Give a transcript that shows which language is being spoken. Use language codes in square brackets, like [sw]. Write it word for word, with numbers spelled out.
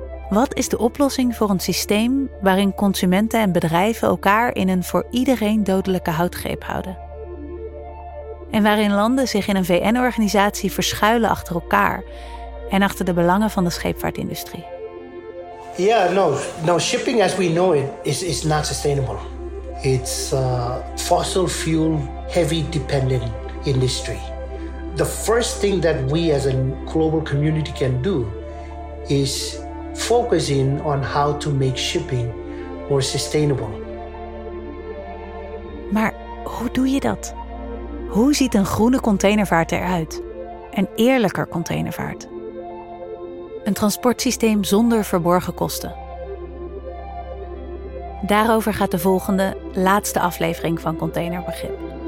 [nl] Wat is de oplossing voor een systeem waarin consumenten en bedrijven elkaar in een voor iedereen dodelijke houtgreep houden? En waarin landen zich in een V N-organisatie verschuilen achter elkaar en achter de belangen van de scheepvaartindustrie? [en] Yeah, no, no. Shipping as we know it is, is not sustainable. It's a fossil fuel heavy dependent industry. The first thing that we as a global community can do is focus in on how to make shipping more sustainable. [nl] Maar hoe doe je dat? Hoe ziet een groene containervaart eruit? Een eerlijker containervaart. Een transportsysteem zonder verborgen kosten. Daarover gaat de volgende, laatste aflevering van Containerbegrip.